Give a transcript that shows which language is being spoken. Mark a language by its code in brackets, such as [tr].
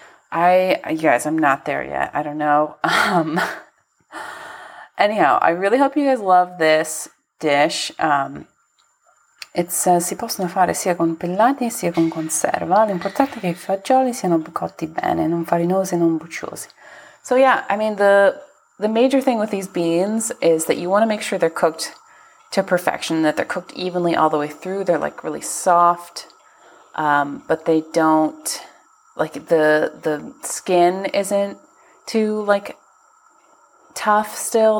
[en] I'm not there yet. I don't know. Anyhow, I really hope you guys love this dish. It says, [it] si possono fare sia con pellati sia con conserva. L'importante è che I fagioli siano cotti bene, non farinosi, non bucciosi. [en] So yeah, I mean, the major thing with these beans is that you want to make sure they're cooked to perfection, that they're cooked evenly all the way through. They're like really soft, but they don't, like the skin isn't too like tough still.